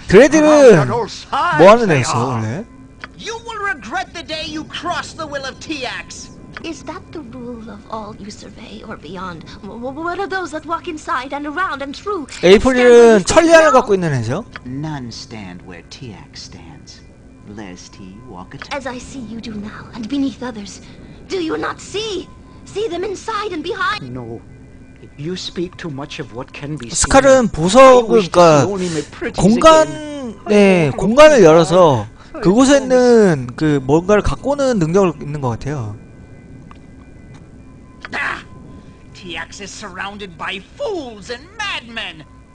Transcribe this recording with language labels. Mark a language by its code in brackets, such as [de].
[ko] 그레드는 뭐 하는 애였어, 원래? [en] You will regret the day you cross the will of TX. Is that the rule of all you survey or beyond? What are those that walk inside and around and through? [ko] 에이프리는 천리안을 갖고 있는 애죠? [en] None stand where TX stands, lest he walk atop. As I see you do now, and beneath others, do you not see? See them inside and behind? No. You speak too much of what can be seen. [ko] 스칼은 보석을, 그러니까 공간에 공간을 열어서 그곳에 있는 그 뭔가를 갖고 오는 능력을 있는 것 같아요. [en] TX is surrounded by fools and madmen.